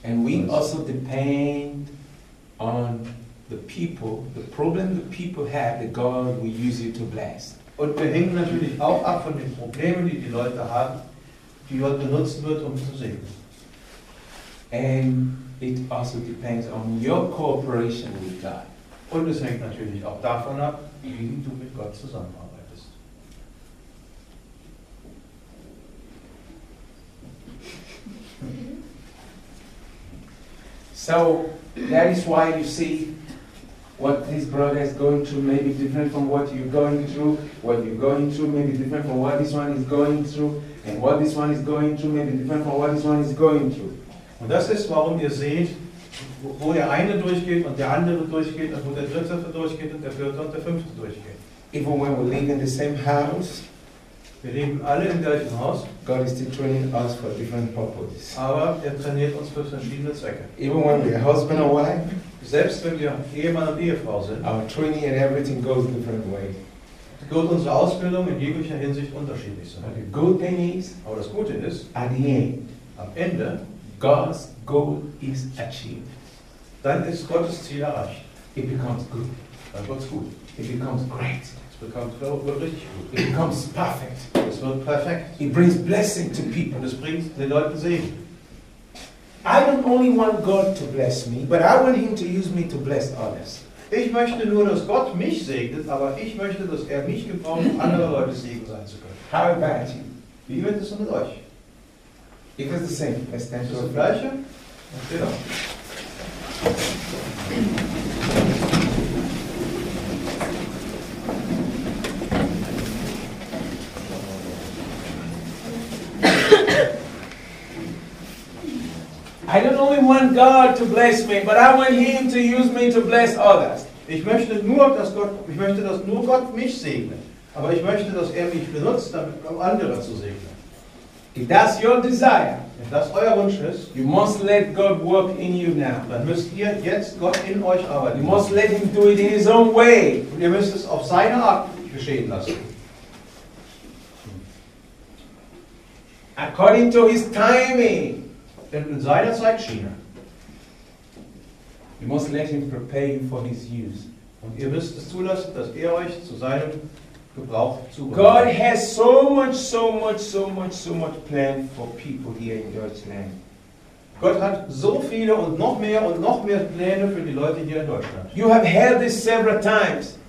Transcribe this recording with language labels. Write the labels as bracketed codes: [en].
[en] And we also depend on the people, the problem the people have that God will use you to bless. [de] Und wir hängen natürlich auch ab von den Problemen, die die Leute haben, die Gott benutzen wird, um zu segnen. [en] And it also depends on your cooperation with God. [de] Und es hängt natürlich auch davon ab, wie du mit Gott zusammenarbeitest. [en] So, that is why you see what this brother is going through may be different from what you're going through. What you're going through may be different from what this one is going through. And what this one is going through may be different from what this one is going through. [de] Und das ist, warum ihr seht, wo der eine durchgeht und der andere durchgeht, und wo der dritte durchgeht und der vierte und der fünfte durchgeht. [en] Even when we live in the same house, [de] wir leben alle im gleichen Haus. [en] God is training us for different purposes. [de] Aber er trainiert uns für verschiedene Zwecke. [en] Even when we are husband and wife, [de] selbst wenn wir Ehemann und Ehefrau sind, [en] our training and everything goes different way. [de] Gut, unsere Ausbildung in jeglicher Hinsicht unterschiedlich sein. [en] But the good thing is, [de] aber das Gute ist, [en] at the end, [de] am Ende, [en] God's goal is achieved. [de] Dann ist Gottes Ziel erreicht. [en] It becomes good. [de] Dann wird's gut. [en] It becomes great. [de] Es [en] becomes [de] richtig gut. [en] It becomes perfect. [de] Es wird perfekt. [en] It brings blessing to people. [de] Und es bringt den Leuten Segen. [en] I don't only want God to bless me, but I want Him to use me to bless others. [de] Ich möchte nur, dass Gott mich segnet, aber ich möchte, dass er mich gebraucht, andere Leute Segen sein zu können. [en] How about you? [de] Wie wird es mit euch? [en] It is the same. Es [de] ist das Gleiche. Genau. [en] I don't only want God to bless me, but I want Him to use me to bless others. [de] Ich möchte, dass nur Gott mich segne, aber ich möchte, dass er mich benutzt, um andere zu segnen. [en] If that's your desire, [de] wenn das euer Wunsch ist, [en] you must let God work in you now. [de] Dann müsst ihr jetzt Gott in euch arbeiten. [en] You must let Him do it in His own way. [de] Und ihr müsst es auf seine Art geschehen lassen. [en] According to His timing, [de] in seiner Zeitschiene. [en] You must let Him prepare you for His use. [de] Und ihr müsst es zulassen, dass er euch zu seinem Gebrauch zubringt. [en] God has so much, so much, so much, so much planned for people here in Deutschland. [de] Gott hat so viele und noch mehr Pläne für die Leute hier in Deutschland. [en] You have heard this several times.